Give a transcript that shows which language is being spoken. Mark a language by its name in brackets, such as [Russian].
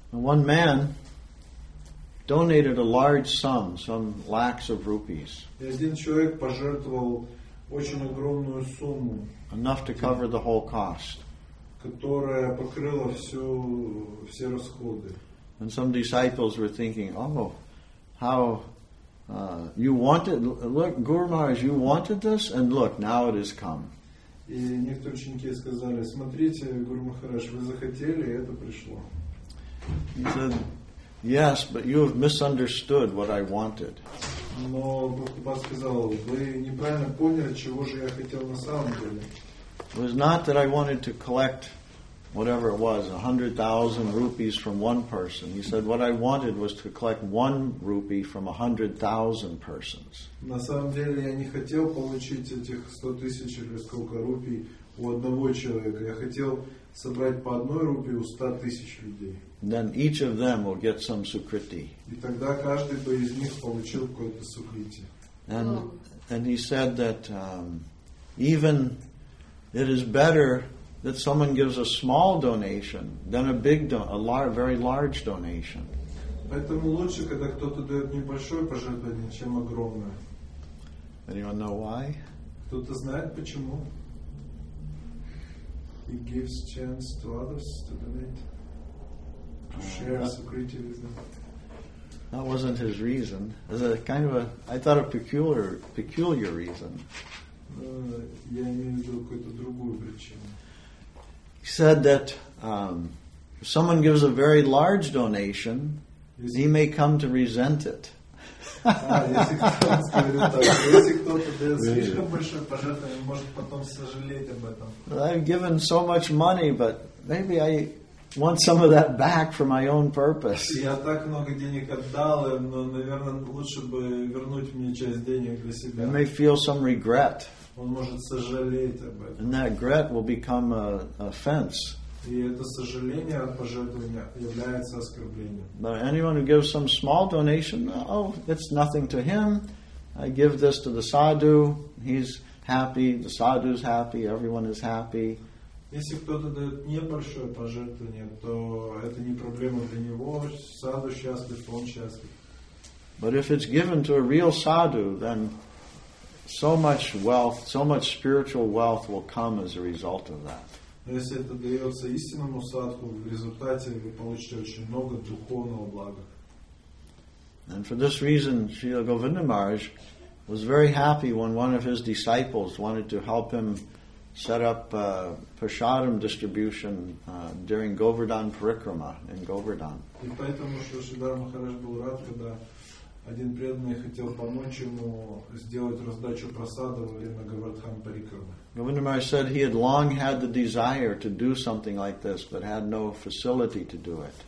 [English] One man donated a large sum, some lakhs of rupees. [Russian] И один человек пожертвовал очень огромную сумму. [English] Enough to cover the whole cost. [Russian] Которая покрыла все расходы. [English] And some disciples were thinking, oh, how... you wanted, look, Guru Maharaj, you wanted this, and look, now it has come. [Russian] И некоторые ученики сказали, смотрите, Гуру Махарадж, вы захотели, и это пришло. [English] He said, yes, but you have misunderstood what I wanted. [Russian] Но Бхактипад сказал, вы неправильно поняли, чего же я хотел на самом деле. [English] It was not that I wanted to collect whatever it was, 100,000 rupees from one person. He said, what I wanted was to collect one rupee from 100,000 persons. [Russian] На самом деле, я не хотел получить этих 100 тысяч или сколько рупий у одного человека. Я хотел собрать по одной рупии у 100 тысяч людей. [English] Then each of them will get some sukriti. [Russian] И тогда каждый бы из них получил какое-то сукрити. [English] And he said that even it is better that someone gives a small donation than a big very large donation. [Russian] Поэтому лучше, когда кто-то дает небольшое пожертвование, чем огромное. [English] Anyone know why? [Russian] Кто-то знает почему? [English] It gives chance to others to donate, to share security with them. That wasn't his reason. It was a kind of a, I thought, a peculiar reason. [Russian] Я имею в виду какую-то другую причину. [English] He said that if someone gives a very large donation, he may come to resent it. I've given so much money, but maybe I want some of that back for my own purpose. [Russian] Я так много денег отдал, но, наверное, лучше бы вернуть мне часть денег для себя. [English] You may feel some regret. [Russian] Он может сожалеть об этом. [English] And that regret will become an offense. [Russian] И это сожаление от пожертвования является оскорблением. [English] But anyone who gives some small donation, oh, it's nothing to him. I give this to the sadhu. He's happy. The sadhu is happy. Everyone is happy. [Russian] Если кто-то дает небольшое пожертвование, то это не проблема для него. Саду счастлив, он счастлив. [English] But if it's given to a real sadhu, then so much wealth, so much spiritual wealth will come as a result of that. [Russian] Если это дается истинному садху, в результате вы получите очень много духовного блага. [English] And for this reason, Srila Govinda Maharaj was very happy when one of his disciples wanted to help him set up prasadam distribution during Govardhan Parikrama in Govardhan. [Russian] И поэтому Шрила Махарадж был рад, когда один преданный хотел помочь ему сделать раздачу просада во время Говардхан Парикрама. [English] Govinda Maharaj said he had long had the desire to do something like this, but had no facility to do it.